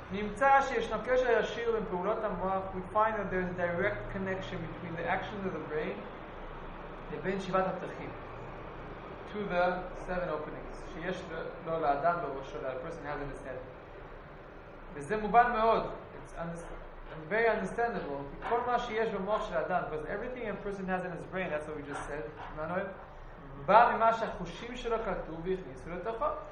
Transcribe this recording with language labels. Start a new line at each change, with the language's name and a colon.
Hebrew: נמצא שישנו קשר ישיר בין פעולות המוח.
English: We find that there is a direct connection between the actions of the brain
Hebrew: לבין שבעת הפתחים.
English: To the seven openings.
Hebrew: שיש לו לאדם בראשו,
English: the person has in his head.
Hebrew: וזה מובן מאוד.
English: It's very understandable.
Hebrew: כל מה שיש במוח של האדם,
English: because everything a person has in his brain, that's what we just said. Manuel.
Hebrew: בא ממה שהחושים שלו קלטו והכניסו לתוכו.